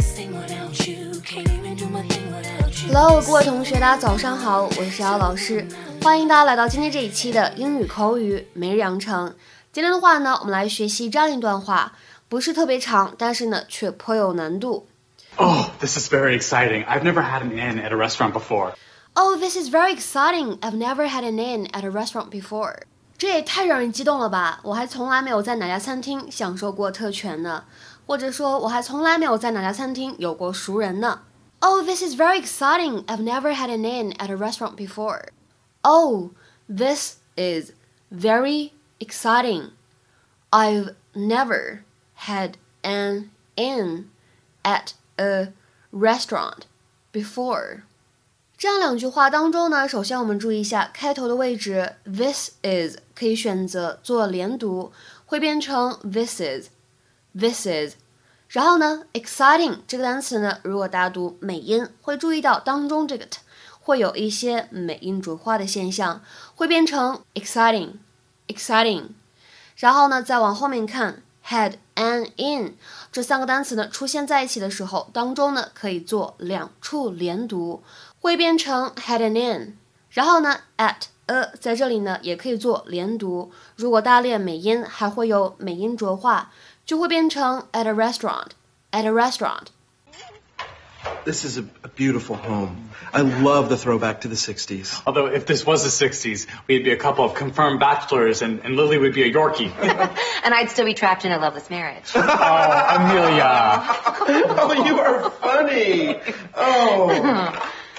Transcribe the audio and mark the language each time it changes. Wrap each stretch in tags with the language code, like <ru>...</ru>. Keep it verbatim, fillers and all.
<zh>Hello， 各位同学，大家早上好，我是姚老师，欢迎大家来到今天这一期的英语口语每日养成。今天的话呢，我们来学习这样一段话，不是特别长，但是呢却颇有难度。</zh> <en>Oh, this is very exciting. I've never had an in at a restaurant before. Oh, this is very exciting. I've never had an in at a restaurant before.</en> <zh>这也太让人激动了吧！我还从来没有在哪家餐厅享受过特权呢，或者说我还从来没有在哪家餐厅有过熟人呢。</zh> <en>Oh, this is very exciting. I've never had an in at a restaurant before. Oh, this is very exciting. I've never had an in at a restaurant before.</en> <zh>这样两句话当中呢，首先我们注意一下开头的位置 ，this is 可以选择做连读，会变成 this is, this is。然后呢 exciting 这个单词呢，如果大家读美音会注意到当中这个 t 会有一些美音浊化的现象，会变成 exciting exciting。然后呢再往后面看 had an in 这三个单词呢出现在一起的时候，当中呢可以做两处连读，会变成 had an in。然后呢 at a 在这里呢也可以做连读，如果大家练美音还会有美音浊化，就会变成</zh> <en>at a restaurant, at a restaurant. This is a, a beautiful home. I love the throwback to the sixties. Although if this was the sixties, we'd be a couple of confirmed bachelors and, and Lily would be a Yorkie. And I'd still be trapped in a loveless marriage. Oh, Amelia. Oh, you are funny. Oh.</en>